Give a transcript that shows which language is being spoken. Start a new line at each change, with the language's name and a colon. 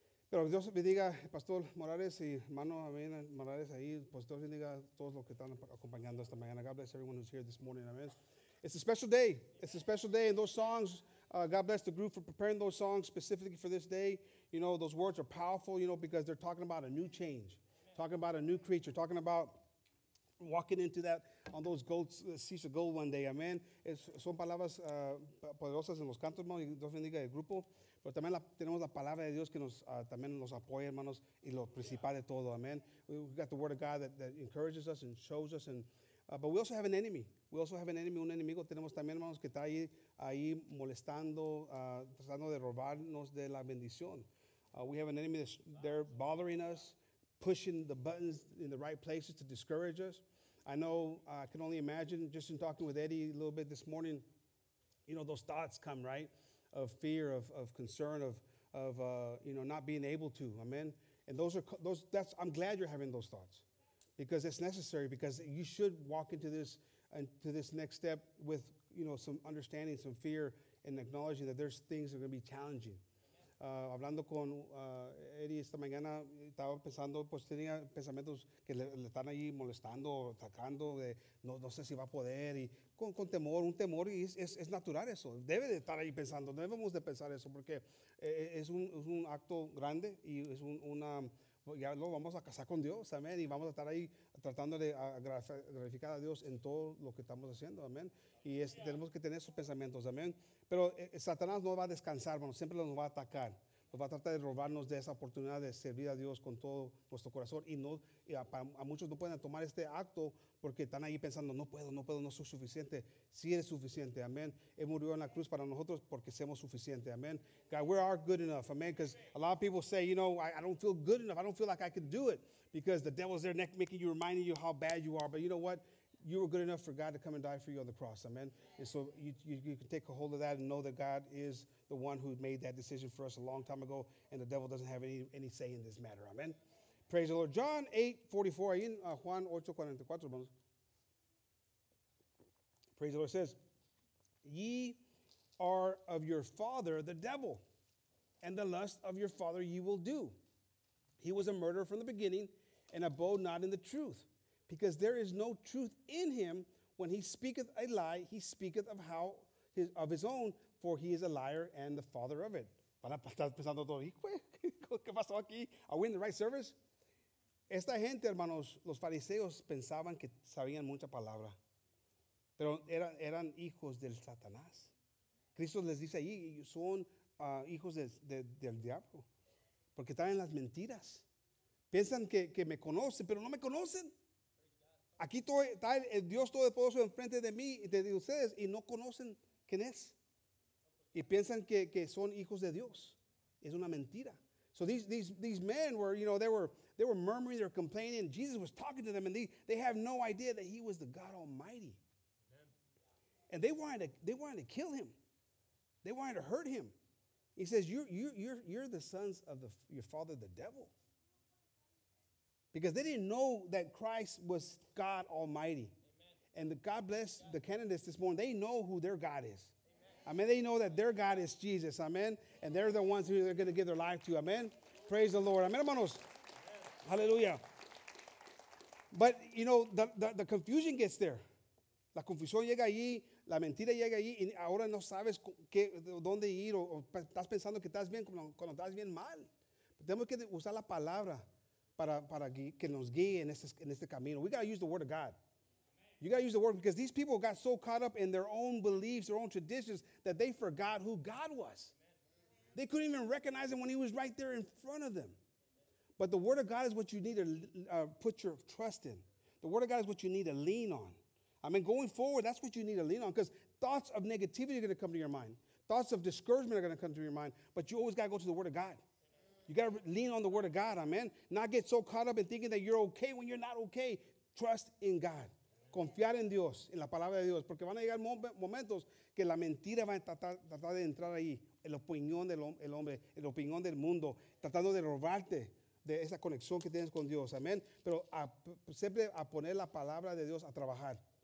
Spanish: Pero Dios bendiga, Pastor Morales y hermano amen, Morales ahí. Pues Dios bendiga a todos los que están acompañando esta mañana.
English: God bless everyone who's here this morning. Amen. It's a special day. It's a special day. And those songs, God bless the group for preparing those songs specifically for this day. You know, those words are powerful, you know, because they're talking about a new change. Amen. Talking about a new creature. Talking about walking into that, on those goats, seas of gold one day.
Spanish: Amen. Son palabras poderosas en los cantos, hermanos. Dios bendiga el grupo. Pero también tenemos la palabra de Dios que nos también nos apoya, hermanos, y lo principal de todo. Amen.
English: We've got the word of God that encourages us and shows us and but we also have an enemy. We also have an enemy,
Spanish: un enemigo.
English: Tenemos también, hermanos, que está ahí molestando, tratando de robarnos de la bendición. We have an enemy that's there bothering us, pushing the buttons in the right places to discourage us. I know, I can only imagine, just in talking with Eddie a little bit this morning, you know, those thoughts come, right, of fear, of concern, you know, not being able to, amen? And I'm glad you're having those thoughts. Because it's necessary, because you should walk into this and to this next step with, you know, some understanding, some fear, and acknowledging that there's things that are going to be challenging.
Spanish: Hablando con Eddie esta mañana, estaba pensando, pues tenía pensamientos que le están ahí molestando, atacando, de no sé si va a poder, y con temor, un temor, y es natural eso. Debe de estar ahí pensando, debemos de pensar eso, porque es un acto grande y es una... Ya lo vamos a casar con Dios, amén, y vamos a estar ahí tratando de glorificar a Dios en todo lo que estamos haciendo, amén. Y tenemos que tener esos pensamientos, amén. Pero Satanás no va a descansar, bueno, siempre nos va a atacar. Nos va a tratar de robarnos de esa oportunidad de servir a Dios con todo nuestro corazón. Y no, y a muchos no pueden tomar este acto porque están ahí pensando, no puedo, no soy suficiente. Sí eres suficiente, amén. Él murió en la cruz para nosotros porque somos suficientes, amén.
English: God, we are good enough, amén. Because a lot of people say, you know, I don't feel good enough. I don't feel like I can do it. Because the devil's there neck making you, reminding you how bad you are. But you know what? You were good enough for God to come and die for you on the cross, amen. And so you can take a hold of that and know that God is the one who made that decision for us a long time ago, and the devil doesn't have any say in this matter, amen. Praise the Lord. John 8:44, Juan 8:44, hermanos. Praise the Lord, says, ye are of your father, the devil, and the lust of your father ye will do. He was a murderer from the beginning and abode not in the truth, because there is no truth in him. When he speaketh a lie, he speaketh of how his own, for he is a liar and the father of it. Are we in the right service?
Spanish: Esta gente, hermanos, los fariseos pensaban que sabían mucha palabra, pero eran hijos del Satanás. Cristo les dice ahí, son hijos del diablo, porque están en las mentiras. Piensan que me conocen, pero no me conocen. Aquí está el Dios Todopoderoso enfrente de mí, de ustedes, y no conocen quién es. Y piensan que son hijos de Dios. Es una mentira.
English: So these men were, you know, they were murmuring, they were complaining. Jesus was talking to them, and they have no idea that he was the God Almighty. Amen. And they wanted to kill him. They wanted to hurt him. He says, you're the sons of your father, the devil. Because they didn't know that Christ was God Almighty. Amen. And God bless the candidates this morning. They know who their God is. Amen. They know that their God is Jesus. Amen. And they're the ones who they're going to give their life to. Amen. Praise the Lord. Amen, hermanos. Amen. Hallelujah. But, you know, the confusion gets there.
Spanish: La confusión llega allí. La mentira llega allí. Y ahora no sabes qué, dónde ir. O estás pensando que estás bien cuando estás bien mal. Tenemos que usar la palabra para que nos guíe en este camino.
English: We got to use the word of God. You got to use the word because these people got so caught up in their own beliefs, their own traditions, that they forgot who God was. Amen. They couldn't even recognize him when he was right there in front of them. But the word of God is what you need to put your trust in. The word of God is what you need to lean on. I mean, going forward, that's what you need to lean on because thoughts of negativity are going to come to your mind. Thoughts of discouragement are going to come to your mind. But you always got to go to the word of God. You got to lean on the word of God, amen? Not get so caught up in thinking that you're okay when you're not okay. Trust in God.
Spanish: Confiar en Dios, en la palabra de Dios. Porque van a llegar momentos que la mentira va a tratar de entrar ahí. La opinión del hombre, la opinión del mundo, tratando de robarte de esa conexión que tienes con Dios, amén? Pero siempre a poner la palabra de Dios a trabajar.